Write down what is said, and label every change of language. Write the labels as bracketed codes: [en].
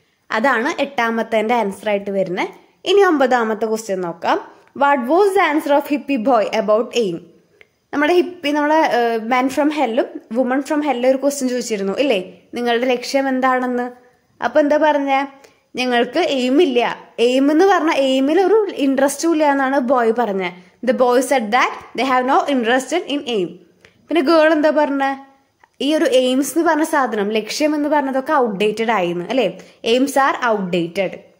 [ml] അതാണ് 8th answer ആയിട്ട് വരുന്നത്. ഇനി 9th ക്വസ്റ്റ്യൻ നോക്കാം. [en] What was the answer of hippie boy about aim? [ml] നമ്മുടെ ഹിപ്പി നമ്മളെ മാൻ ഫ്രം ഹെല്ലും വുമൺ ഫ്രം ഹെല്ലും ഒരു ക്വസ്റ്റ്യൻ ചോദിച്ചിരുന്നു ഇല്ലേ, നിങ്ങളുടെ ലക്ഷ്യം എന്താണെന്ന്. അപ്പൊ എന്താ പറഞ്ഞ, ഞങ്ങൾക്ക് എയിമില്ല, എയിം എന്ന് പറഞ്ഞ എയിമിലൊരു ഇൻട്രസ്റ്റും ഇല്ല എന്നാണ് ബോയ് പറഞ്ഞത്. [en] The boy said that they have no interested in aim. [ml] പിന്നെ ഗേൾ എന്താ പറഞ്ഞ, ഈ ഒരു എയിംസ് എന്ന് പറഞ്ഞ സാധനം, ലക്ഷ്യം എന്ന് പറഞ്ഞതൊക്കെ ഔട്ട്ഡേറ്റഡ് ആയിരുന്നു അല്ലേ, [en] Aims are outdated.